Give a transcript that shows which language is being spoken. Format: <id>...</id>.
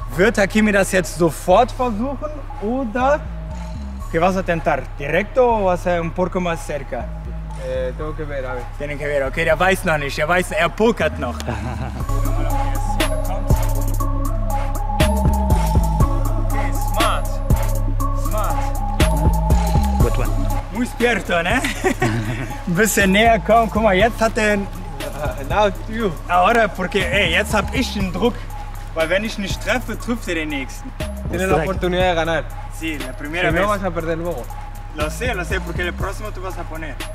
<de>Wird Hakimi das jetzt sofort versuchen oder?</de> <es>Que vas a tentar? Directo o vas a un poco más cerca? Tengo que ver, a ver. Tienen que ver,</es> <de>okay, der weiß noch nicht, der weiß, er pokert noch.</de> <en>Okay, smart. Good one.</en> <es>Muy despierto, ne?</es> <de>Ein bisschen näher kommen, guck mal, jetzt hat er.</de> <en>Now you.</en> <es>Ahora, porque, ey,</es> <de>jetzt hab ich den Druck, weil wenn ich nicht treffe, trifft er den nächsten.</de> <es>Tienes la oportunidad de ganar. Sí, la primera vez. No vas a perder luego. Lo sé, porque el próximo tú vas a poner.</es>